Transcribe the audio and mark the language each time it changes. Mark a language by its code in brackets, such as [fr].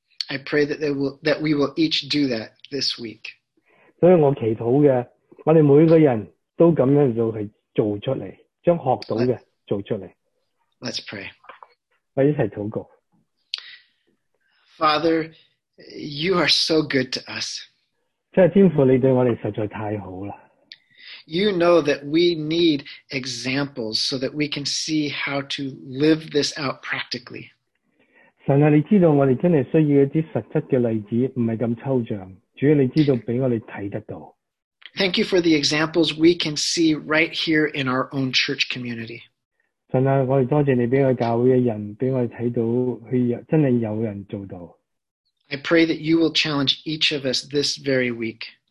[en] I pray that we will each do that this week. [zh] 所以我祈祷的,我们每个人都这样做出来,将学到的做出来。 [en] Let's pray. [zh] 我一起祷告。 [en] Father, you are so good to us. [zh] 真是天父你对我们实在太好了。 [en] You know that we need examples so that we can see how to live this out practically. [zh] 神啊,你知道我们真的需要一些实质的例子,不是那么抽象。主啊,你知道给我们看得到。 [en] Thank you for the examples we can see right here in our own church community. [zh] 神啊,我们多谢你给我们教会的人,给我们看到真的有人做到。 [en] I pray that you will challenge each of us this very week.